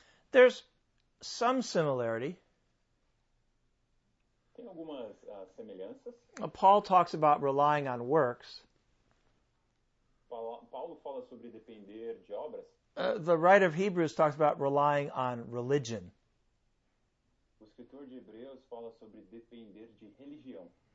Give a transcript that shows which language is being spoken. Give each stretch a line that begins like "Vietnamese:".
English: There's some similarity.
Portuguese: Tem algumas semelhanças.
English: Paul talks about relying on works.
Portuguese: Paulo fala sobre depender de obras.
English: The writer of Hebrews talks about relying on religion.
Portuguese: O escritor de Hebreus fala sobre depender de religião.